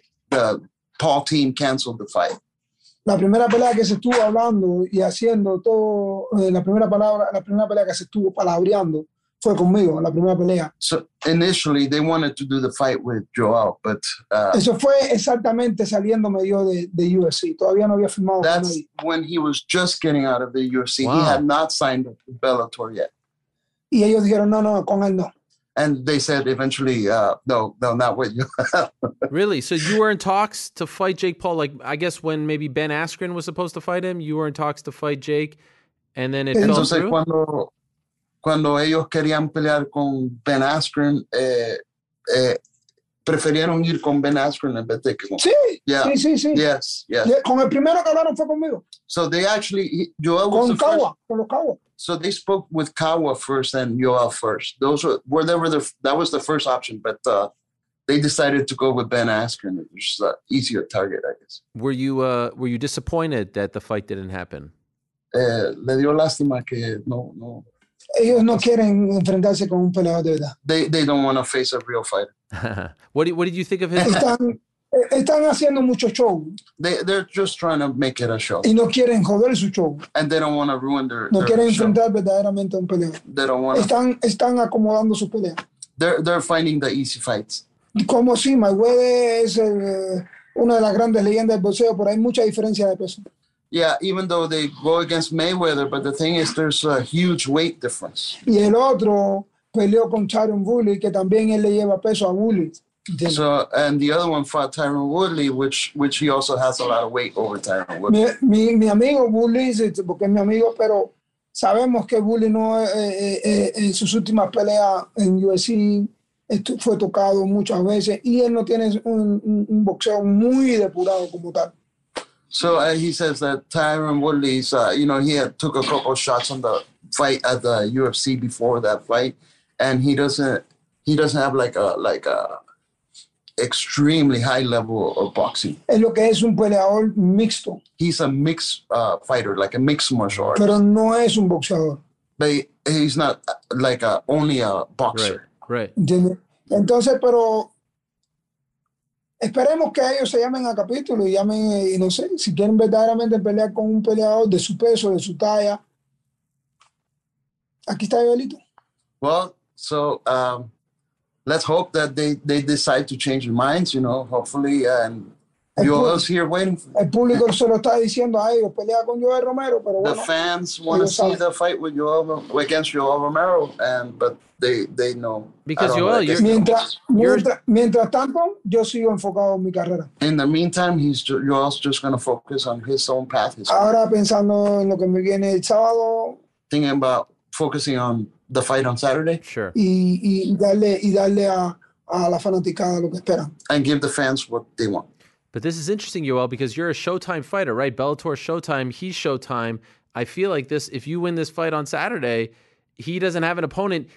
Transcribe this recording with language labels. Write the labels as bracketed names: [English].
[English] The Paul team canceled the fight. [Spanish] La primera pelea que se estuvo hablando y haciendo todo, la primera pelea que se estuvo palabreando fue conmigo, la primera pelea. [English] So initially, they wanted to do the fight with Yoel, but... [Spanish] eso fue exactamente saliéndome yo de UFC. Todavía no había firmado con nadie. [English] That's when he was just getting out of the UFC. Wow. He had not signed Bellator yet. [Spanish] Y ellos dijeron, no, no, con él no. [English] And they said eventually, no, not with you. Really? So you were in talks to fight Jake Paul, like, I guess when maybe Ben Askren was supposed to fight him, you were in talks to fight Jake, and then it fell through? [Spanish] Cuando ellos querían pelear con Ben Askren, preferieron ir con Ben Askren en vez de que con... Sí, yeah. Sí, sí, sí. [English] Yes, yes. [Spanish] Con el primero que hablaron fue conmigo. [English] So they actually... Yoel [Spanish] con [English] was the Kawa, first. [Spanish] Con los Kawa. [English] So they spoke with Kawa first and Yoel first. Those were that was the first option, but they decided to go with Ben Askren, which is an easier target, I guess. Were you disappointed that the fight didn't happen? [Spanish] Le dio lástima que no. Ellos no quieren enfrentarse con un peleador de verdad. [English] They don't want to face a real fighter. what did you think of his? [Spanish] Están haciendo mucho show. [English] They're just trying to make it a show. [Spanish] Y no quieren joder su show. [English] And they don't want to ruin their [Spanish] No quieren enfrentar [English] show. [Spanish] Verdaderamente un peleador. [English] They don't want. [Spanish] Están acomodando su pelea. [English] They're finding the easy fights. [Spanish] Como si Mayweather es una de las grandes leyendas del boxeo, pero hay mucha diferencia de peso. [English] Yeah, even though they go against Mayweather, but the thing is, there's a huge weight difference. [Spanish] Y el otro peleó con Chatri, que también él le lleva peso a Woodley. [English] So, and the other one fought Tyron Woodley, which he also has a lot of weight over Tyron Woodley. [Spanish] Mi amigo Woodley, porque es mi amigo, pero sabemos que Woodley no en sus últimas peleas en UFC fue tocado muchas veces, y él no tiene un boxeo muy depurado como tal. [English] So he says that Tyron Woodley's, he had took a couple shots on the fight at the UFC before that fight, and he doesn't have like a extremely high level of boxing. [Spanish] Es lo que es un peleador mixto. [English] He's a mixed fighter, like a mixed martial artist. [Spanish] Pero no es un boxeador. [English] But he's not like only a boxer. Right. [Spanish] Entonces, pero esperemos que ellos se llamen a capítulo y llamen, y no sé, si quieren verdaderamente pelear con un peleador de su peso, de su talla. Aquí está Yoelito. [English] Well, so let's hope that they decide to change their minds, hopefully, and Yoel's here waiting. [Spanish] El público solo está diciendo a ellos, pelea con Yoel Romero, pero bueno. [English] The fans want to see the fight with Yoel, against Yoel Romero, but they know. Because Yoel, you're... [Spanish] Mientras tanto, yo sigo enfocado en mi carrera. [English] In the meantime, Yoel's just going to focus on his own path. [Spanish] Ahora pensando en lo que me viene el sábado. [English] Thinking about focusing on the fight on Saturday. Sure. [Spanish] Y darle a la fanaticada lo que esperan. [English] And give the fans what they want. But this is interesting, Yoel, because you're a Showtime fighter, right? Bellator Showtime, he's Showtime. I feel like this, if you win this fight on Saturday, he doesn't have an opponent.